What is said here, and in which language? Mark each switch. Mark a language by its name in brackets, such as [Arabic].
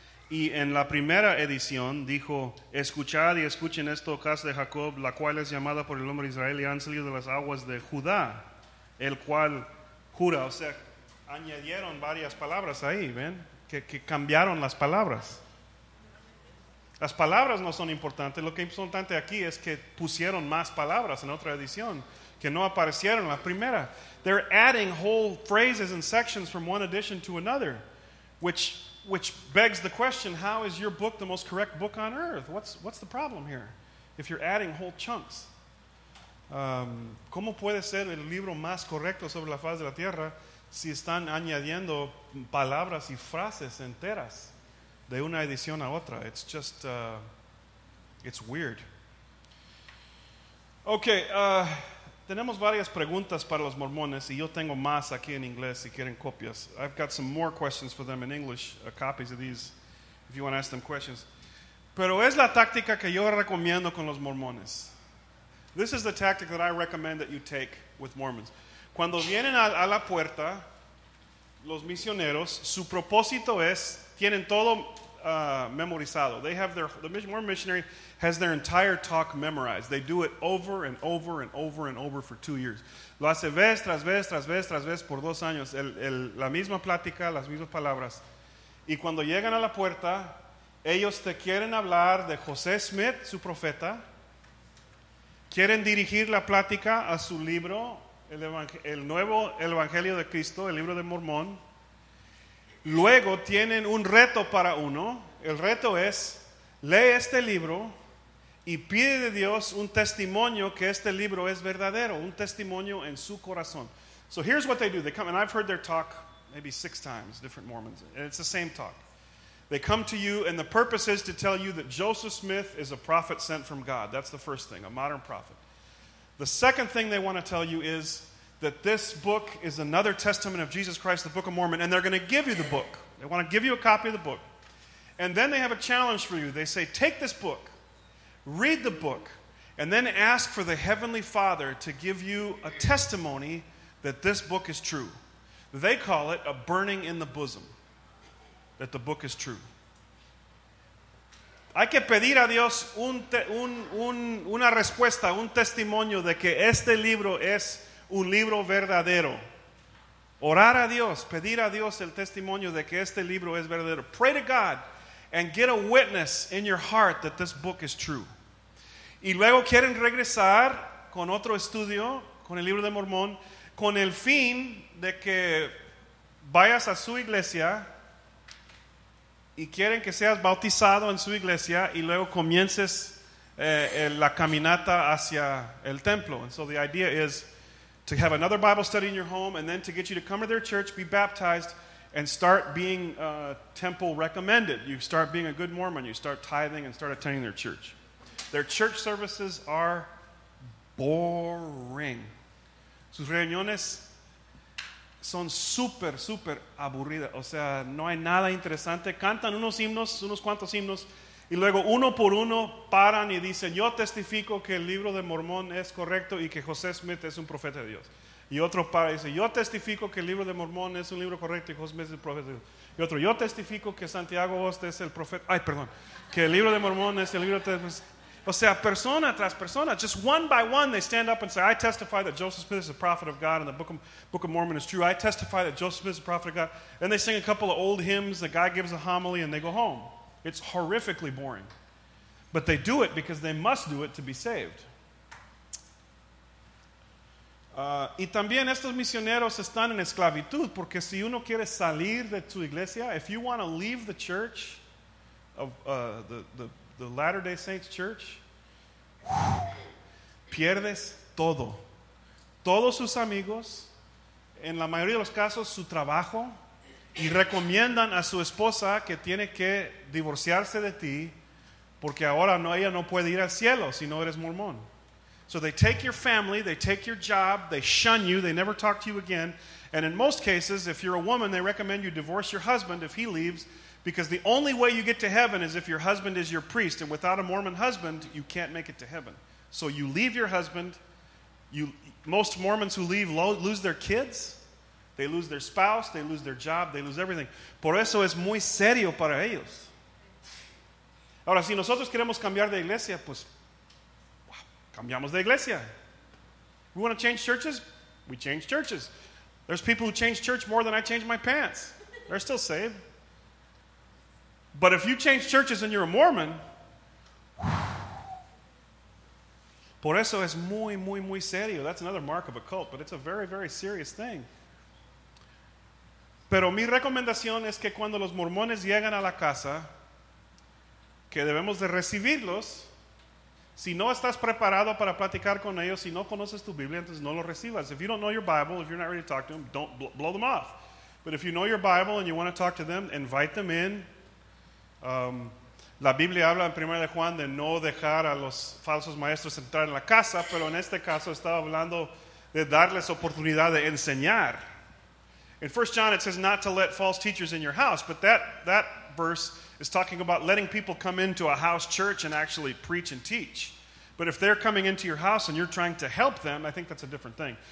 [Spanish] Y en la primera edición dijo, escuchad y escuchen esto, oh casa de Jacob, la cual es llamada por el nombre de Israel, y han salido de las aguas de Judá, el cual jura. O sea, añadieron varias palabras ahí, ¿ven? Que cambiaron las palabras. Las palabras no son importantes. Lo que es importante aquí es que pusieron más palabras en otra edición que no aparecieron en la primera. [English] They're adding whole phrases and sections from one edition to another, which begs the question, how is your book the most correct book on earth? What's the problem here if you're adding whole chunks? [Spanish] ¿Cómo puede ser el libro más correcto sobre la faz de la tierra si están añadiendo palabras y frases enteras de una edición a otra? [English] It's just, it's weird. [Spanish] Okay, tenemos varias preguntas para los mormones, y yo tengo más aquí en inglés si quieren copias. [English] I've got some more questions for them in English, copies of these, if you want to ask them questions. [Spanish] Pero es la táctica que yo recomiendo con los mormones. [English] This is the tactic that I recommend that you take with Mormons. [Spanish] Cuando vienen a la puerta, los misioneros, su propósito es, tienen todo memorizado. [English] They have the Mormon missionary has their entire talk memorized. They do it over and over and over and over for 2 years. [Spanish] Lo hace vez tras vez, tras vez, tras vez, por 2 años. La misma plática, las mismas palabras. Y cuando llegan a la puerta, ellos te quieren hablar de José Smith, su profeta. Quieren dirigir la plática a su libro, el nuevo Evangelio de Cristo, el libro de Mormón. Luego tienen un reto para uno. El reto es, lee este libro y pide de Dios un testimonio que este libro es verdadero, un testimonio en su corazón. [English] So here's what they do. They come, and I've heard their talk maybe 6 times, different Mormons, and it's the same talk. They come to you, and the purpose is to tell you that Joseph Smith is a prophet sent from God. That's the first thing, a modern prophet. The second thing they want to tell you is that this book is another testament of Jesus Christ, the Book of Mormon, and they're going to give you the book. They want to give you a copy of the book. And then they have a challenge for you. They say, take this book, read the book, and then ask for the Heavenly Father to give you a testimony that this book is true. They call it a burning in the bosom, that the book is true. [Spanish] Hay que pedir a Dios una respuesta, un testimonio de que este libro es un libro verdadero. Orar a Dios, pedir a Dios el testimonio de que este libro es verdadero. [English] Pray to God and get a witness in your heart that this book is true. [Spanish] Y luego quieren regresar con otro estudio, con el libro de Mormón, con el fin de que vayas a su iglesia y quieren que seas bautizado en su iglesia y luego comiences la caminata hacia el templo. [English] And so the idea is to have another Bible study in your home and then to get you to come to their church, be baptized, and start being temple recommended. You start being a good Mormon. You start tithing and start attending their church. Their church services are boring. [Spanish] Sus reuniones son super, super aburridas. O sea, no hay nada interesante. Cantan unos himnos, unos cuantos himnos, y luego uno por uno paran y dicen, yo testifico que el libro de Mormón es correcto y que José Smith es un profeta de Dios. Y otro para y dice, yo testifico que el libro de Mormón es un libro correcto y José Smith es un profeta de Dios. Y otro, yo testifico que Santiago Oste es el profeta, ay, perdón, que el libro de Mormón es el libro de... O sea, persona tras persona, [English] just one by one, they stand up and say, I testify that Joseph Smith is a prophet of God and the Book of Mormon is true. I testify that Joseph Smith is a prophet of God. And they sing a couple of old hymns, the guy gives a homily, and they go home. It's horrifically boring. But they do it because they must do it to be saved. [Spanish] Y también estos misioneros están en esclavitud, porque si uno quiere salir de tu iglesia, [English] if you want to leave the church of the Latter-day Saints Church, [Spanish] pierdes todo. Todos sus amigos, en la mayoría de los casos, su trabajo, y recomiendan a su esposa que tiene que divorciarse de ti porque ahora no, ella no puede ir al cielo si no eres mormón. [English] So they take your family, they take your job, they shun you, they never talk to you again. And in most cases, if you're a woman, they recommend you divorce your husband if he leaves, because the only way you get to heaven is if your husband is your priest. And without a Mormon husband, you can't make it to heaven. So you leave your husband. Most Mormons who leave lose their kids. They lose their spouse. They lose their job. They lose everything. [Spanish] Por eso es muy serio para ellos. Ahora, si nosotros queremos cambiar de iglesia, pues cambiamos de iglesia. [English] We want to change churches? We change churches. There's people who change church more than I change my pants. They're still saved. But if you change churches and you're a Mormon, [Spanish] por eso es muy, muy, muy serio. [English] That's another mark of a cult, but it's a very, very serious thing. [Spanish] Pero mi recomendación es que cuando los mormones llegan a la casa, que debemos de recibirlos. Si no estás preparado para platicar con ellos, si no conoces tu Biblia, entonces no lo recibas. [English] If you don't know your Bible, if you're not ready to talk to them, don't blow them off. But if you know your Bible and you want to talk to them, invite them in. [Spanish] La Biblia habla en 1 de Juan de no dejar a los falsos maestros entrar en la casa, pero en este caso estaba hablando de darles oportunidad de enseñar. [English] In 1 John it says not to let false teachers in your house, but that verse is talking about letting people come into a house church and actually preach and teach. But if they're coming into your house and you're trying to help them, I think that's a different thing.